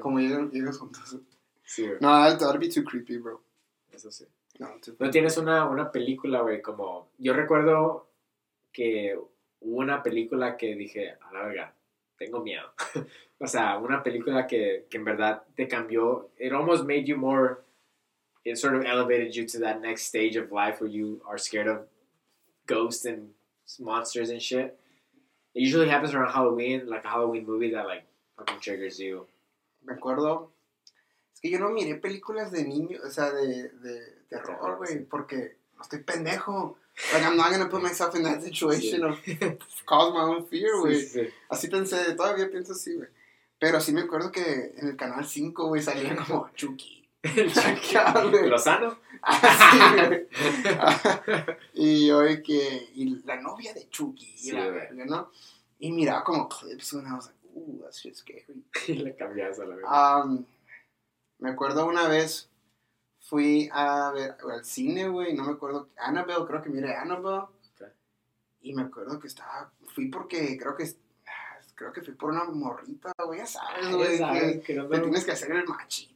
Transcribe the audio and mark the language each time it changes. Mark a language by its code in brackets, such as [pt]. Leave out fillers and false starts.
[es] Como llegas juntos. Sí, güey. [en] No, that'd be too creepy, bro. [es] Eso sí. No, ¿no tienes una película, güey? Como, yo recuerdo que hubo una película que dije, a la verga, tengo miedo. O sea, una película que en verdad te cambió. [en] It almost made you more, it sort of elevated you to that next stage of life where you are scared of ghosts and monsters and shit. It usually happens around Halloween, like a Halloween movie that like fucking triggers you. [es] Me acuerdo. Es que yo no miré películas de niño, o sea, de terror, güey, porque estoy pendejo. [en] Like, I'm not gonna put myself in that situation or cause my own fear, güey. [es] Sí, sí. Así pensé, todavía pienso así, güey. Pero sí me acuerdo que en el Canal 5, güey, salía como Chucky. ¿Lozano? Así, güey. Y yo, que. Y la novia de Chucky, sí, la verga, ¿no? Y miraba como clips, [en] and I was like, that shit's scary. [es] Y le cambiabas a la verga. Me acuerdo una vez. Fui a ver al cine, güey, no me acuerdo, Annabelle, creo que miré Annabelle, okay. Y me acuerdo que estaba, fui porque, creo que fui por una morrita, güey, ya sabes, güey, que no me... tienes que hacer el machito.